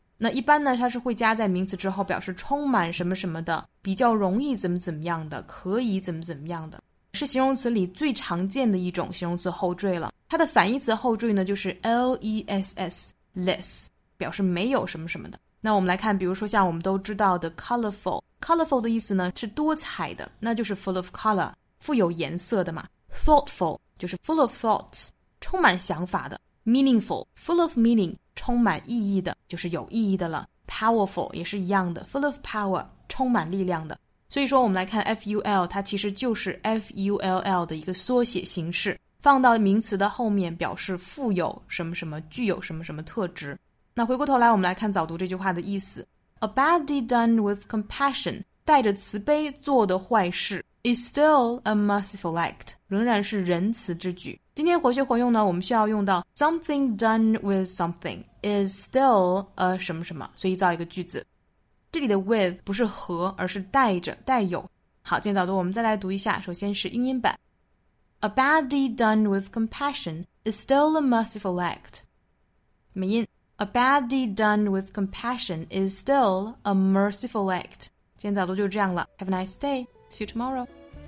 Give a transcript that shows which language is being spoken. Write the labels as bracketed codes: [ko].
[zh] 那一般呢它是会加在名词之后，表示充满什么什么的，比较容易怎么怎么样的，可以怎么怎么样的，是形容词里最常见的一种形容词后缀了。它的反义词后缀呢就是 less， less 表示没有什么什么的。那我们来看比如说像我们都知道的 colorfulColorful 的意思呢是多彩的，那就是 full of color， 富有颜色的嘛。 Thoughtful 就是 full of thoughts， 充满想法的。 Meaningful， full of meaning， 充满意义的，就是有意义的了。Powerful 也是一样的， full of power， 充满力量的。所以说我们来看 FUL， 它其实就是 FULL 的一个缩写形式，放到名词的后面表示富有什么什么，具有什么什么特质。那回过头来我们来看早读这句话的意思， [en] A bad deed done with compassion， [zh] 带着慈悲做的坏事， [en] is still a merciful act， [zh] 仍然是仁慈之举。今天活学活用呢，我们需要用到 [en] something done with something is still a [zh] 什么什么，所以造一个句子。这里的 with 不是和，而是带着，带有。好，今天早读我们再来读一下，首先是英音版。 [en] A bad deed done with compassion is still a merciful act. [zh] 美音。 [en] A bad deed done with compassion is still a merciful act. [zh] 今天早读就这样了。 [en] Have a nice day. See you tomorrow.